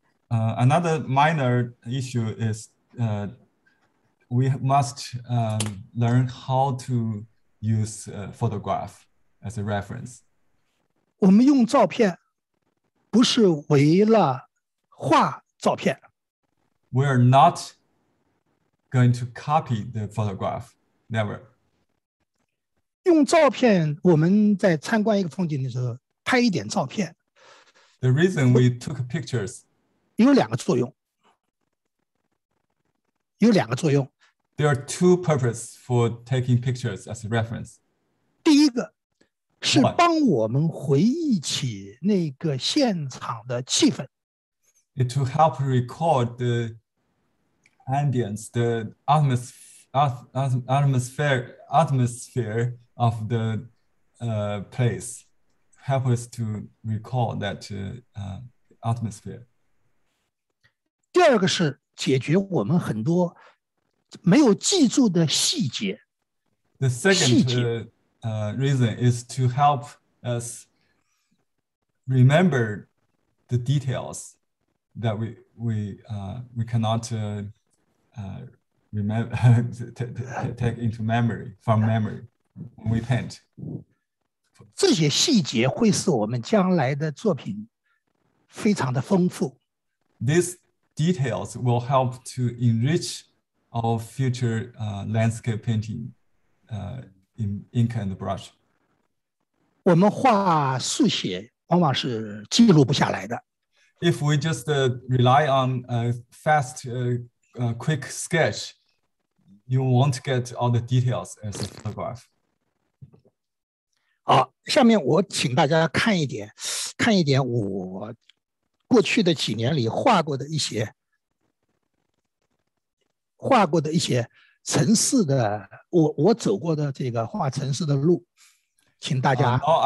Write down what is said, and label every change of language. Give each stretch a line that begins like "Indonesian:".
English: Another minor issue is we must learn how to use photograph as a reference.
Chinese: 我们用照片不是为了画照片。
English: We are not going to copy the photograph, never.
Chinese: 用照片，我们在参观一个风景的时候拍一点照片。
English: The reason we took pictures.
Chinese: 有两个作用。
English: There are two purposes for taking pictures as a reference.
Chinese: 第一个是帮我们回忆起那个现场的气氛。
English: It to help record the ambience, the atmosphere of the place. Help us to recall that atmosphere.
Chinese: 第二个是解决我们很多没有记住的细节。
English: The second reason is to help us remember the details that we cannot remember take into memory from memory when we paint.
Chinese: 这些细节会使我们将来的作品非常的丰富。
English: These details will help to enrich our future landscape painting in ink and brush.
Chinese: 我们画速写往往是记录不下来的。
English: If we just rely on a fast, quick sketch, you won't get all the details as a photograph.
Chinese: 好，下面我请大家看一点，看一点我过去的几年里画过的一些，画过的一些城市的，我走过的这个画城市的路，请大家